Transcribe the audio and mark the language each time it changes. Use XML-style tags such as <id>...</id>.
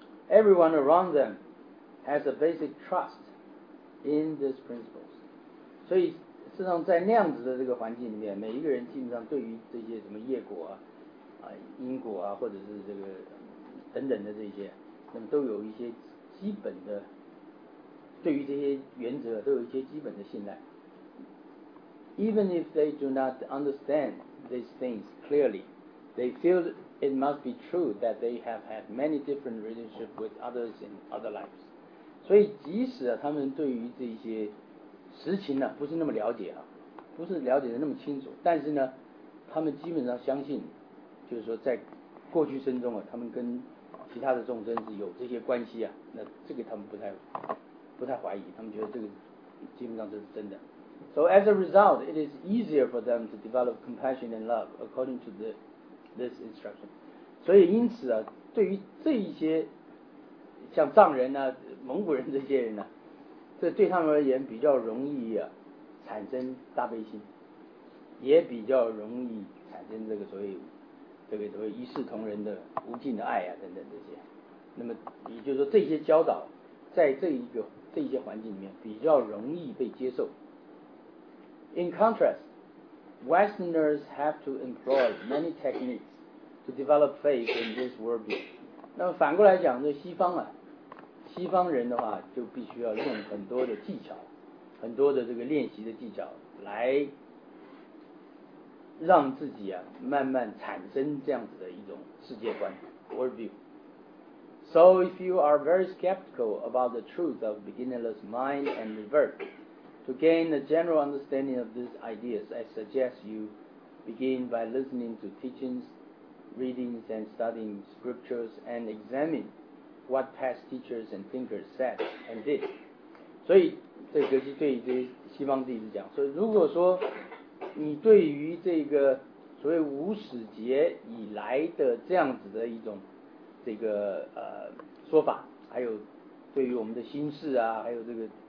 <en>Everyone around them has a basic trust in these principles.</en> <zh>所以事实上在那样子的这个环境里面，每一个人基本上对于这些什么业果啊、因果啊，或者是这个等等的这些，那么都有一些基本的，对于这些原则都有一些基本的信赖。</zh> <en>Even if they do not understand these things clearly,They feel it must be true that they have had many different relationships with others in other lives.</en> <zh>所以即使啊，他们对于这些实情呢、啊，不是那么了解啊，不是了解的那么清楚，但是呢，他们基本上相信，就是说在过去生中啊，他们跟其他的众生是有这些关系啊，那这个他们不太怀疑，他们觉得这个基本上这是真的。</zh> <en>So as a result, it is easier for them to develop compassion and love according to this instruction.</en> <zh>所以因此啊，对于这一些像藏人啊、蒙古人这些人呢、啊，这对他们而言比较容易啊产生大悲心，也比较容易产生这个所谓一视同仁的无尽的爱啊等等这些。那么也就是说，这些教导在这一些环境里面比较容易被接受。</zh> <en>In contrast. Westerners have to employ many techniques to develop faith in this worldview.</en> <zh>那么反过来讲，这西方啊，西方人的话就必须要用很多的技巧，很多的这个练习的技巧，来让自己啊慢慢产生这样子的一种世界观 worldview.</zh> <en>So if you are very skeptical about the truth of beginningless mind and rebirthTo gain a general understanding of these ideas, I suggest you begin by listening to teachings, readings, and studying scriptures, and examine what past teachers and thinkers said and did.</en> <zh>所以，这个是对这西方弟子讲。所以，如果说你对于这个所谓无始劫以来的这样子的一种这个说法，还有对于我们的心事啊，还有这个。</zh>